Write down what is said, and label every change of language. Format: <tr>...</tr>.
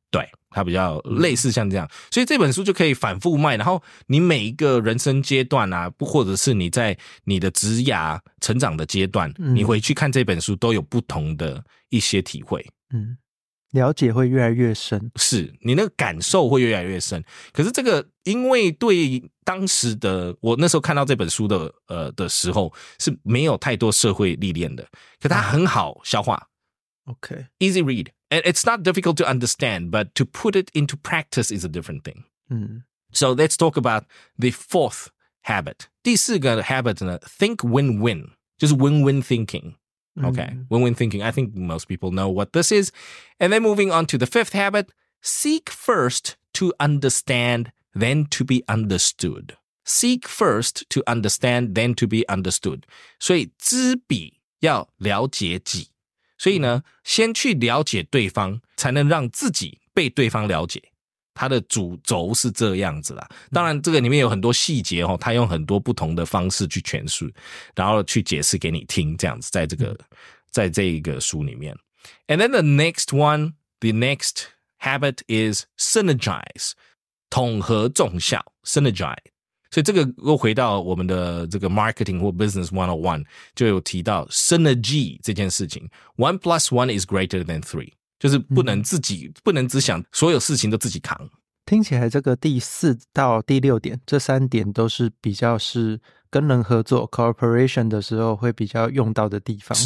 <zh>对，它比较类似像这样，所以这本书就可以反复卖，然后你每一个人生阶段啊，或者是你在你的职涯成长的阶段、嗯、你回去看这本书都有不同的一些体会，嗯，了解会越来越深，是你那个感受会越来越深。可是这个因为对当时的我那时候看到这本书的时候是没有太多社会历练的，可它很好消化、</zh> <en>OK easy read and it's not difficult to understand but to put it into practice is a different thing、嗯、 so let's talk about the fourth habit。</en> <zh>第四个 habit 呢</zh> <en>think win-win，</en> <zh>就是</zh> <en>win-win thinking、嗯、OK win-win thinking I think most people know what this is。 and then moving on to the fifth habit， seek first to understandthen to be understood. Seek first to understand, then to be understood.</en> <zh>所以知彼要了解己。所以呢先去了解对方才能让自己被对方了解。他的主轴是这样子啦。当然这个里面有很多细节、哦、他用很多不同的方式去诠释然后去解释给你听这样子在这个在这个书里面。</zh> <en>And then the next one, the next habit is synergize.</en> <zh>统合众效 synergize， 所以这个又回到我们的这个 marketing 或 business 101就有提到 synergy 这件事情，</zh> <en>1 plus 1 is greater than 3，</en> <zh>就是不能自己、嗯、不能只想所有事情都自己扛。听起来这个第四到第六点这三点都是比较是跟人合作 cooperation 的时候会比较用到的地方，</zh>